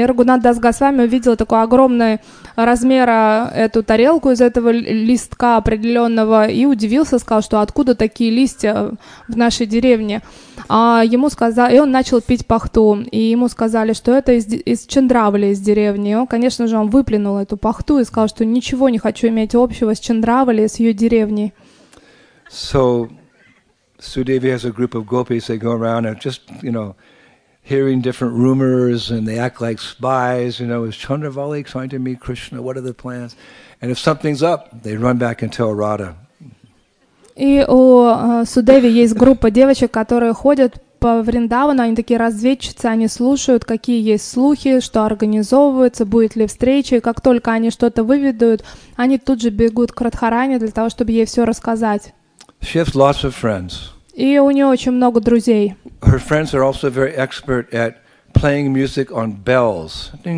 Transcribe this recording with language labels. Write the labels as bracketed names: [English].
[Russian] И Рагунат Дас Госвами увидел такой огромный размера эту тарелку из этого листка определенного и удивился, сказал, что откуда такие листья в нашей деревне. И он начал пить пахту, и ему сказали, что это из Чандравали, из деревни. Он, конечно же, он выплюнул эту пахту и сказал, что ничего не хочу иметь общего с Чандравали, с ее деревней. [English] So, Sudevi has a group of gopis, they go around and just, you know, hearing different rumors, and they act like spies, you know, is Chandravali trying to meet Krishna? What are the plans? And if something's up, they run back and tell Radha. [Russian] И у Судеви есть группа девочек, которые ходят по Вриндавану, они такие разведчицы, они слушают, какие есть слухи, что организовывается, будет ли встреча, и как только они что-то выведут, они тут же бегут к Радхарани для того, чтобы ей все рассказать. [English] She has lots of friends. [Russian] И у нее очень много друзей. [English] Her friends are also very expert at playing music on bells.